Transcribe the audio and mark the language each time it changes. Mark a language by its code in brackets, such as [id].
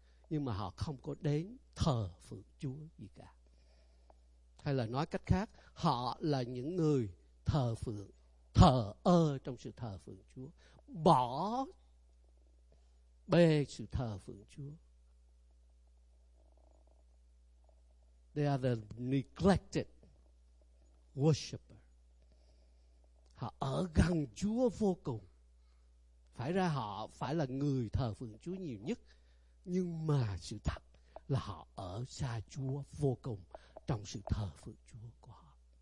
[vi] nhưng mà họ không có đến thờ phượng Chúa gì cả. Hay là nói cách khác, họ là những người thờ phượng, thờ ơ trong sự thờ phượng Chúa, bỏ bê sự thờ phượng Chúa. [en] They are the neglected worshipper. [vi] Họ ở gần Chúa vô cùng. Phải ra họ phải là người thờ phượng Chúa nhiều nhất, nhưng mà sự thật là họ ở xa Chúa vô cùng trong sự thờ phượng Chúa của họ.